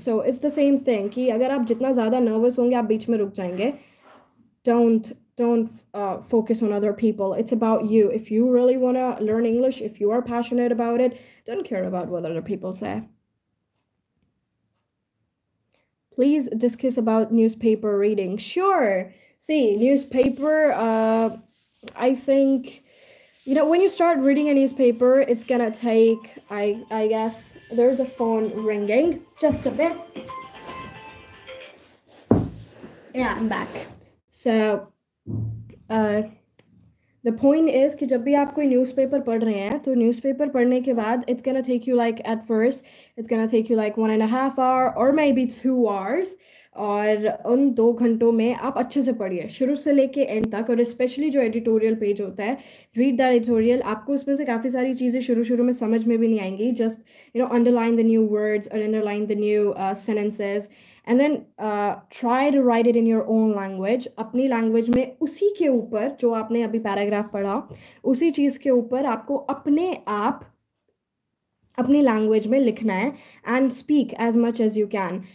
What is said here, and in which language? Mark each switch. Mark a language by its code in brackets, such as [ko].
[en] so it's the same thing [hi] कि अगर आप जितना ज़्यादा नर्वस होंगे आप बीच में रुक जाएंगे. [en] Don't don't focus on other people, it's about you. If you really want to learn English, if you are passionate about it, don't care about what other people say. Please discuss about newspaper reading. Sure, [hi] C news paper [en] I think you know when you start reading a newspaper it's gonna take I guess there's a phone ringing just a bit. Yeah, I'm back. So the point is [hi] कि जब भी आप कोई newspaper पढ़ रहे हैं तो newspaper पढ़ने के बाद [en] it's gonna take you like at first it's gonna take you like 1.5 hours or maybe 2 hours, [hi] और उन 2 घंटों में आप अच्छे से पढ़िए शुरू से लेके एंड तक, और स्पेशली जो एडिटोरियल पेज होता है, [en] Read that editorial. [hi] आपको उसमें से काफ़ी सारी चीज़ें शुरू शुरू में समझ में भी नहीं आएंगी, [en] just you know underline the new words [hi] और [en] underline the new sentences, and then try to write it in your own language, [hi] अपनी लैंग्वेज में, उसी के ऊपर जो आपने अभी पैराग्राफ पढ़ा उसी चीज़ के ऊपर आपको अपने आप अपनी लैंग्वेज में लिखना है, [en] And speak as much as you can.